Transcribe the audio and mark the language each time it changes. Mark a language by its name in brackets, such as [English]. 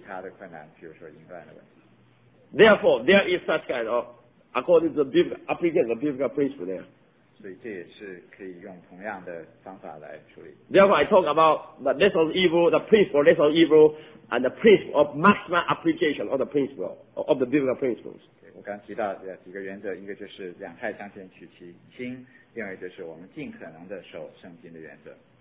[Chinese] 可能这个好过因这样因不结婚所造成的其他的困难，比如说淫乱的问题。 [English] Therefore, there is such kind of according to the biblical application of the biblical principle there. [Chinese] 所以这也是可以用同样的方法来处理。 [English] Therefore, I talk about the lesser evil, the principle of lesser evil, and the principle of maximum application of the principle of the biblical principles. [Chinese] 我刚提到的几个原则，一个就是两害相权取其轻，另外就是我们尽可能的守圣经的原则。